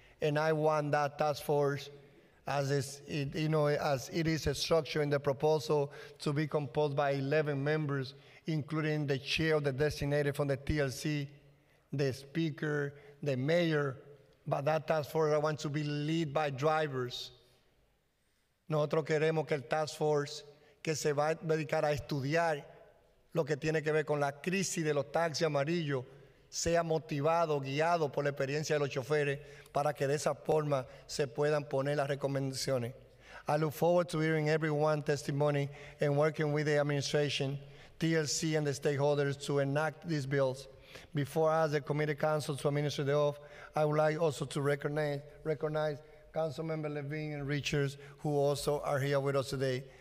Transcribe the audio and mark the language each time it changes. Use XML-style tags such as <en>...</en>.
<en>And I want that task force, as is, you know, as it is a structure in the proposal, to be composed by 11 members, including the chair of the designated from the TLC, the speaker, the mayor. But that task force, I want to be led by drivers.</en> <es>Nosotros queremos que el task force que se va a dedicar a estudiar lo que tiene que ver con la crisis de los taxis amarillos sea motivado, guiado por la experiencia de los choferes para que de esa forma se puedan poner las recomendaciones.</es> <en>I look forward to hearing everyone's testimony and working with the administration, TLC, and the stakeholders to enact these bills. Before I ask the committee council to administer the oath, I would like also to recognize Councilmember Levine and Richards, who also are here with us today.</en>